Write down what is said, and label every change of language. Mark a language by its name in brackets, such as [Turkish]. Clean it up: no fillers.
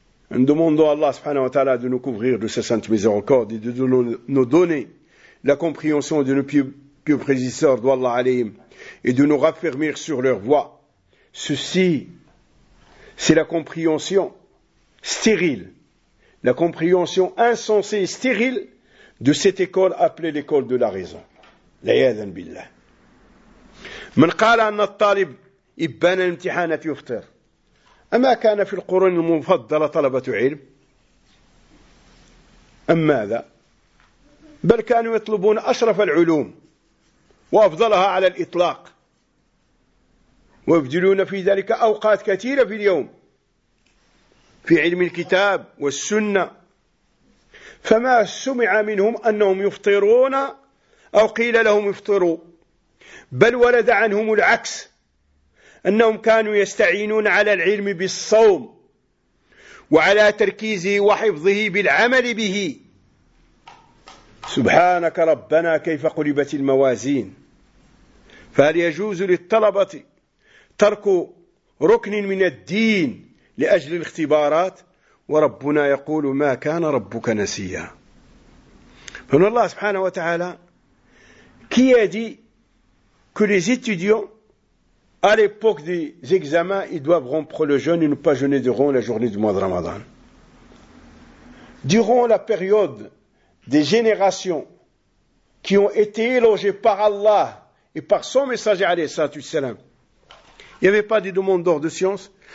[French] Nous demandons à Allah subhanahu wa ta'ala de nous couvrir de sa sainte miséricorde et de nous donner la compréhension de nos pieux prédécesseurs d'Allah alayhim et de nous raffermir sur leur voie. Ceci, c'est la compréhension stérile, la compréhension insensée et stérile de cette école appelée l'école de la raison. [Arabic] L'ayadan billah. من قال أن الطالب إبان الامتحانة يفطر أما كان في القرون المفضلة طلبة علم أم ماذا بل كانوا يطلبون أشرف العلوم وأفضلها على الإطلاق ويبذلون في ذلك أوقات كثيرة في اليوم في علم الكتاب والسنة فما سمع منهم أنهم يفطرون أو قيل لهم يفطروا بل ولد عنهم العكس أنهم كانوا يستعينون على العلم بالصوم وعلى تركيزه وحفظه بالعمل به. سبحانك ربنا كيف قلبت الموازين. فهل يجوز للطلبة ترك ركن من الدين لأجل الاختبارات؟ وربنا يقول ما كان ربك نسيا. فإن الله سبحانه وتعالى كيادي [French] que les étudiants, à l'époque des examens, ils doivent rompre le jeûne et ne pas jeûner durant la journée du mois de Ramadan. Durant la période des générations qui ont été élogées par Allah et par son messager, alayhi salatu wassalam, il n'y avait pas des demandeurs de science.